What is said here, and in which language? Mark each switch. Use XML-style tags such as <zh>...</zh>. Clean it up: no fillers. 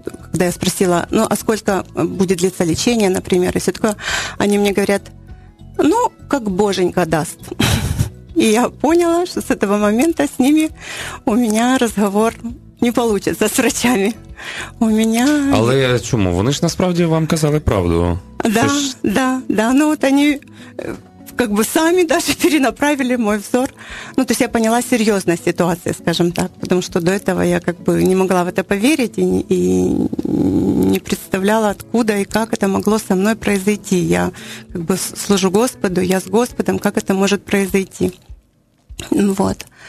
<ru>Когда я спросила, а сколько будет длиться лечение, например, и все такое, они мне говорят, как Боженька даст. И я поняла, что с этого момента с ними у меня разговор не получится, с врачами. У меня...</ru> <uk>Але чому? Вони ж насправді вам казали правду.</uk> <ru>Да, они... сами даже перенаправили мой взор. То есть я поняла серьезность ситуации, скажем так, потому что до этого я не могла в это поверить и не представляла, откуда и как это могло со мной произойти. Я служу Господу, я с Господом, как это может произойти. Вот.</ru>